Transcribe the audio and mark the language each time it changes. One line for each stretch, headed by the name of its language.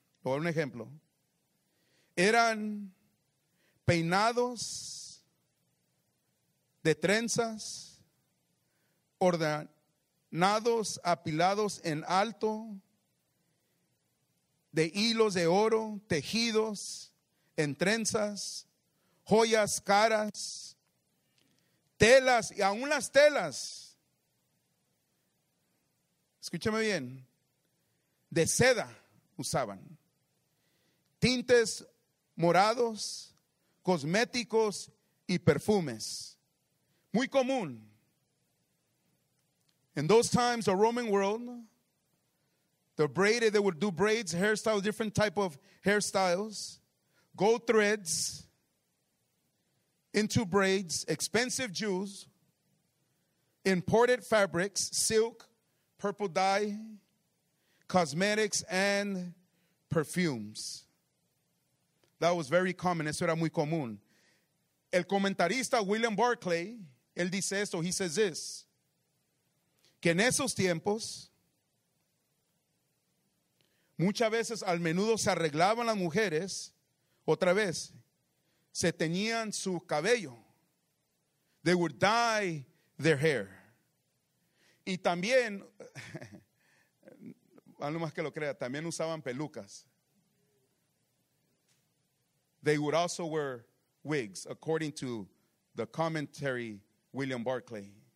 Spanish: Por un ejemplo, eran peinados de trenzas, ordenados, apilados en alto, de hilos de oro, tejidos en trenzas, joyas caras, telas, y aún las telas, escúchame bien, de seda usaban, tintes morados, cosméticos y perfumes. Muy común.
English: In those times, the Roman world, they would do braids, hairstyles, different type of hairstyles, gold threads into braids, expensive jewels, imported fabrics, silk, purple dye, cosmetics, and perfumes. That was very common.
Spanish: Eso era muy común. El comentarista William Barclay, él dice esto.
English: He says this.
Spanish: Que en esos tiempos, muchas veces, al menudo se arreglaban las mujeres. Otra vez, se teñían su cabello.
English: They would dye their hair.
Spanish: Y también, no más que lo crea, también usaban pelucas.
English: They would also wear wigs, according to the commentary William Barclay.